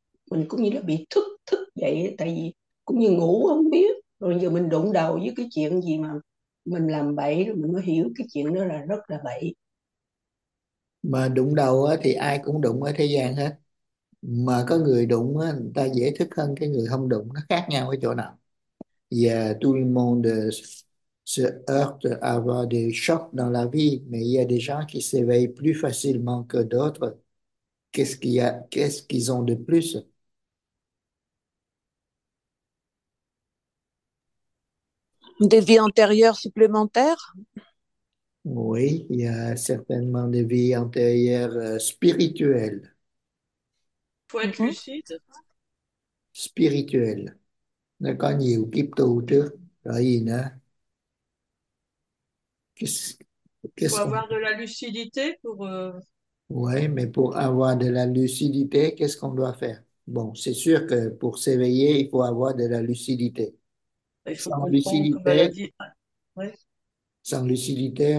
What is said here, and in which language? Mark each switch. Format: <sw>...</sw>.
<vi>Mình cũng như là bị thức thức vậy, tại vì cũng như ngủ không biết, rồi giờ mình đụng đầu với cái chuyện gì mà mình làm bậy, rồi mình mới hiểu cái chuyện đó là rất là bậy. Mà đụng đầu á, thì ai cũng đụng ở thế gian hết, mà có người đụng á, người ta dễ thức hơn cái người không đụng, nó khác nhau ở chỗ nào.</vi> <fr>Và tout le monde se heurte à avoir des chocs dans la vie, mais il y a des gens qui s'éveillent plus facilement que d'autres. Qu'est-ce qu'ils ont de plus? Des vies antérieures supplémentaires. Oui, il y a certainement des vies antérieures spirituelles. Faut être lucide. Spirituelles.</fr> <vi>Nó có nhiều kiếp tu trước, rồi gì nữa?</vi> <fr>Faut avoir de la lucidité pour. Oui, mais pour avoir de la lucidité, qu'est-ce qu'on doit faire? Bon, c'est sûr que pour s'éveiller, il faut avoir de la lucidité. Il faut Sans comprendre, comme elle a lucidité, dit. Ouais.</fr>